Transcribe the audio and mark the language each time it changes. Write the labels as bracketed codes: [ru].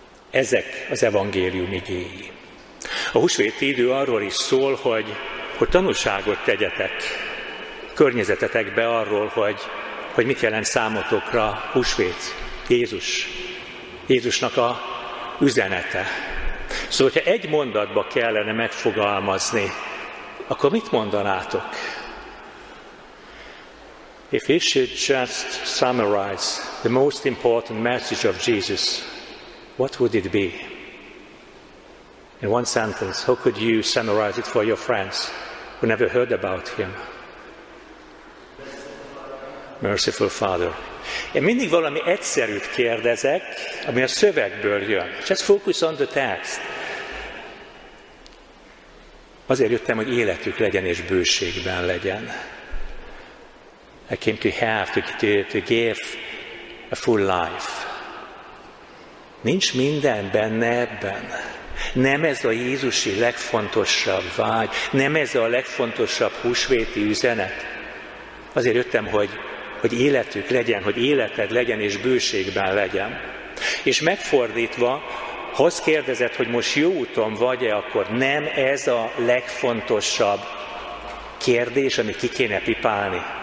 [hu] Ezek az evangélium igéi. A húsvéti idő arról is szól, hogy tanúságot tegyetek környezetetekbe arról, hogy mit jelent számotokra húsvét, Jézus, Jézusnak a üzenete. Szóval, hogyha egy mondatba kellene megfogalmazni, akkor mit mondanátok? [en] If we should just summarize the most important message of Jesus, what would it be? In one sentence, how could you summarize it for your friends who never heard about him? Merciful Father. [hu] Én mindig valami egyszerűt kérdezek, ami a szövegből jön. [en] Just focus on the text. [hu] Azért jöttem, hogy életük legyen és bőségben legyen. [en] I came to have, to give a full life. [hu] Nincs minden benne ebben. Nem ez a Jézusi legfontosabb vágy, nem ez a legfontosabb húsvéti üzenet. Azért jöttem, hogy életük legyen, hogy életed legyen és bőségben legyen. És megfordítva, ha azt kérdezed, hogy most jó úton vagy-e, akkor nem ez a legfontosabb kérdés, amit ki kéne pipálni.